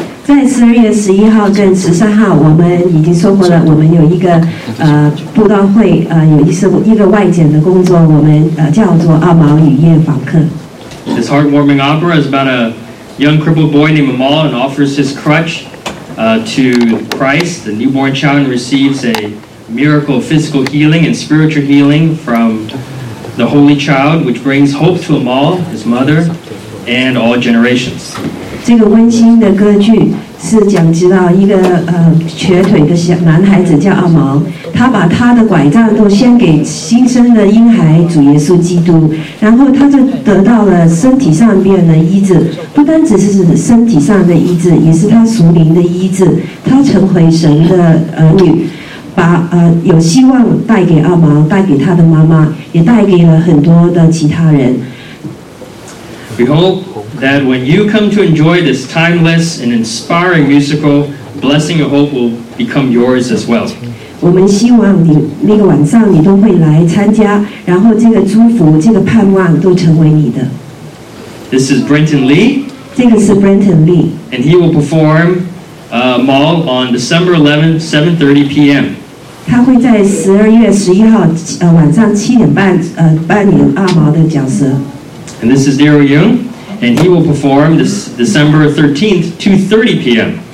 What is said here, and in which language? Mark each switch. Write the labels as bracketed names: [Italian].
[Chinese] 在10月11号跟13号我们已经说过了，我们有一个布道会，有一个外景的工作，我们叫做阿毛与夜访客。 [English] This heartwarming opera is about a young crippled boy named Amal and offers his crutch to Christ. The newborn child receives a miracle of physical healing and spiritual healing from the Holy Child, which brings hope to Amal, his mother, and all generations. [Chinese] 这个温馨的歌剧是讲及到一个瘸腿的小男孩子叫阿毛，他把他的拐杖都献给新生的婴孩主耶稣基督，然后他就得到了身体上边的医治，不单只是身体上的医治，也是他属灵的医治，他成为神的儿女，把有希望带给阿毛，带给他的妈妈，也带给了很多的其他人。 [English] We hope that when you come to enjoy this timeless and inspiring musical, Blessing of Hope will become yours as well. [Chinese] 我们希望你那个晚上你都会来参加，然后这个祝福、这个盼望都成为你的。 [English] This is Brenton Lee. [Chinese] 这个是 Brenton Lee. [English] And he will perform Mall on December 11th, 7:30 p.m. [Chinese] 他会在12月11号晚上7点半扮演阿毛的角色。 [English] And this is Daryl Young, and he will perform this December 13th, 2:30 p.m.